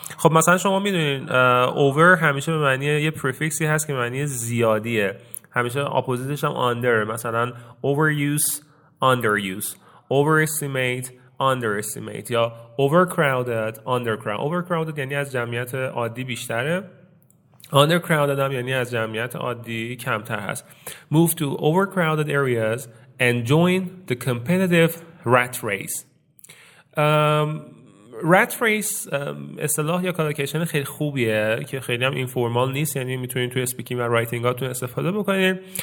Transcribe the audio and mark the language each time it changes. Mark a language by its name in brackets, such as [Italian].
[Persian] خب مثلا شما میدونین over همیشه به معنی یه prefixی هست که معنی زیادیه، همیشه oppositeش هم under، مثلا overuse underuse، overestimate underestimate، یا overcrowded undercrowded. overcrowded یعنی از جمعیت عادی بیشتره، undercrowded هم یعنی از جمعیت عادی کمتر هست. [English] move to overcrowded areas and join the competitive rat race. [Persian] rat race اصطلاح یا کالوکیشن خیلی خوبیه که خیلی هم اینفورمال نیست، یعنی میتونید توی اسپیکینگ و رایتینگ هاتون استفاده بکنید.